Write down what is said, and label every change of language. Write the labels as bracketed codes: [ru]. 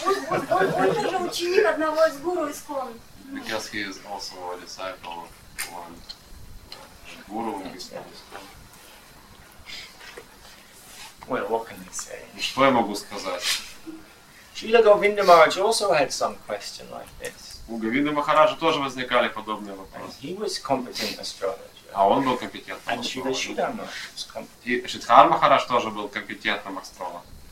[ru] Он тоже ученик одного из гуру из Кон. [en] Because he is also a disciple of one guru in Kon. Well, what can I say? [ru] Что я могу сказать? [en] Srila Govinda Maharaj also had some question like this. [ru] У Говинды Махараджа тоже возникали подобные вопросы. [en] And he was competent astrologer. [ru] А он был компетентным астрологом. И Шридхар Махарадж тоже был компетентным астрологом.